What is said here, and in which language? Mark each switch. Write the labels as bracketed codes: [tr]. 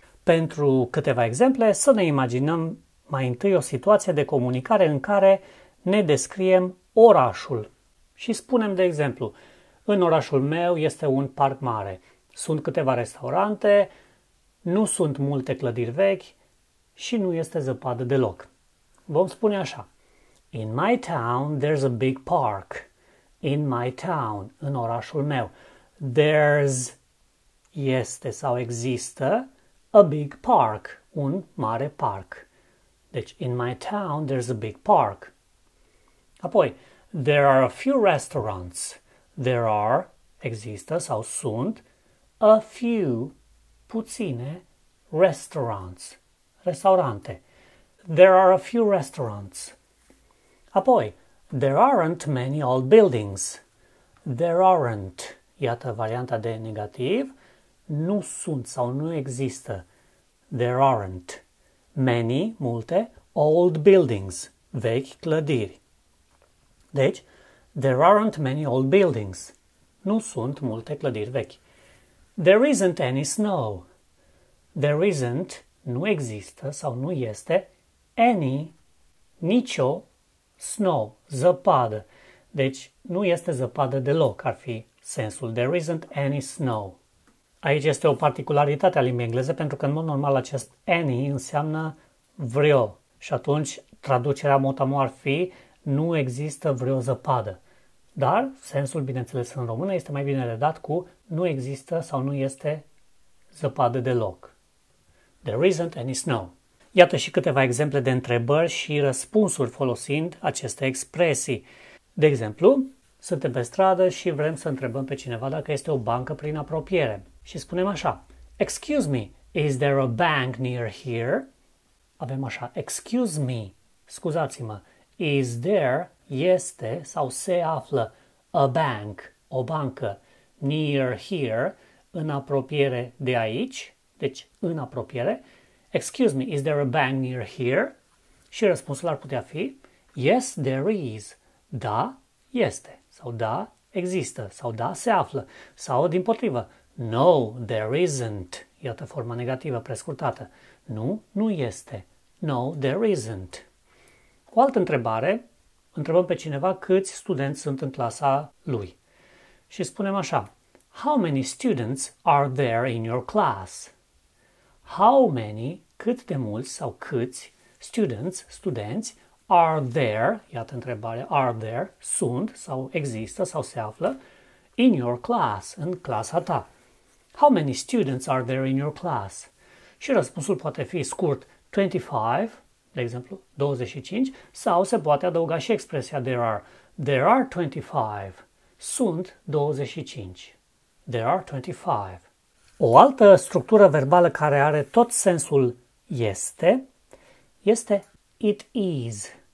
[ro] Pentru câteva exemple, să ne imaginăm mai întâi o situație de comunicare în care ne descriem orașul și spunem, de exemplu, în orașul meu este un parc mare, sunt câteva restaurante, nu sunt multe clădiri vechi și nu este zăpadă deloc. Vom spune așa. [en] In my town there's a big park. In my town, [ro] în orașul meu, [en] there's, [ro] este sau există, [en] a big park, [ro] un mare parc. [en] Deci, in my town there's a big park. Apoi, there are a few restaurants. There are, [ro] există sau sunt, [en] a few, [ro] puține, restaurants, restaurante. [en] There are a few restaurants. Apoi, there aren't many old buildings. There aren't, [ro] iată varianta de negativ, nu sunt sau nu există. [en] There aren't many, multe, old buildings, vechi clădiri. Deci, there aren't many old buildings. [ro] Nu sunt multe clădiri vechi. [en] There isn't any snow. There isn't, [ro] nu există sau nu este, any, nicio, snow, zăpadă. Deci, nu este zăpadă deloc, ar fi sensul. [en] There isn't any snow. [ro] Aici este o particularitate a limbii engleze, pentru că, în mod normal, acest any înseamnă vreo. Și atunci, traducerea motamo ar fi, nu există vreo zăpadă. Dar, sensul, bineînțeles, în română, este mai bine redat cu nu există sau nu este zăpadă deloc. [en] There isn't any snow. [ro] Iată și câteva exemple de întrebări și răspunsuri folosind aceste expresii. De exemplu, suntem pe stradă și vrem să întrebăm pe cineva dacă este o bancă prin apropiere. Și spunem așa, [en] excuse me, is there a bank near here? [ro] Avem așa, [en] excuse me, [ro] scuzați-mă, [en] is there, [ro] este sau se află [en] a bank, [ro] o bancă, [en] near here, [ro] în apropiere de aici, deci în apropiere. [en] Excuse me, is there a bank near here? [ro] Și răspunsul ar putea fi, [en] yes, there is, [ro] da, este, sau da, există, sau da, se află, sau din potrivă, [en] no, there isn't. [ro] Iată forma negativă prescurtată. Nu, nu este. [en] No, there isn't. [ro] O altă întrebare, întrebăm pe cineva câți studenți sunt în clasa lui. Și spunem așa, [en] how many students are there in your class? How many, [ro] cât de mulți sau câți students, studenți, [en] are there, [ro] iată întrebarea, are there, sunt sau există sau se află, [en] in your class, [ro] în clasa ta. [en] How many students are there in your class? [ro] Și răspunsul poate fi scurt 25, de exemplu, 25, sau se poate adăuga și expresia [en] there are 25, [ro] sunt 25, there are 25. O altă structură verbală care are tot sensul este, este [en] it is.